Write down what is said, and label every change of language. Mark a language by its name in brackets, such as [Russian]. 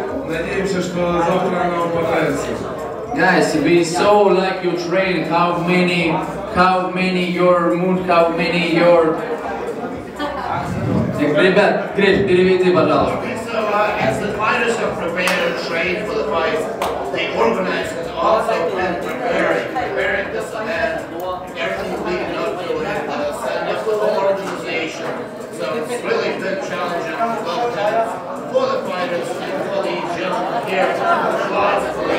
[English] Guys, we saw like you train, how many how many your moon, how many your... [Russian] Ребят, Грей, переведи, пожалуйста. [English] So, as the fighters have prepared and trained for the fight, they organized and also been preparing this event. Everything leading up to it, and the full organization. So it's really been challenging for the fighters and for the gentlemen here.